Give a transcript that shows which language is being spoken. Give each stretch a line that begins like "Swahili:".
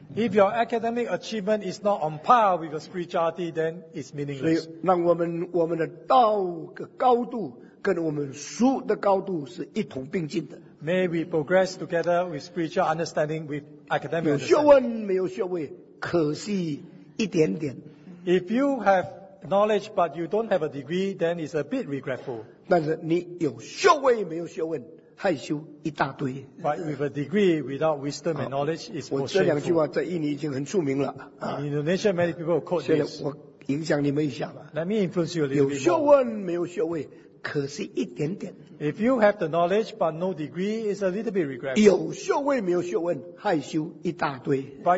English: If your academic achievement is not on par with your spirituality, then it's meaningless.
Chinese: 所以，让我们的道的高度跟我们书的高度是一同并进的。
English: May we progress together with spiritual understanding with academic.
Chinese: 有学问没有学位，可惜一点点。
English: If you have knowledge but you don't have a degree, then it's a bit regretful.
Chinese: 但是你有学位没有学问。害羞一大堆,
English: but with a degree without wisdom and knowledge is more shameful.
Chinese: 我这两句话在印尼已经很著名了。
English: Indonesia many people quote this.
Chinese: 现在我影响你们一下吧。
English: Let me influence you a little bit.
Chinese: 有学问没有学位，可惜一点点。If
English: you have the knowledge but no degree, it's a little bit regretful.
Chinese: 有学位没有学问，害羞一大堆。But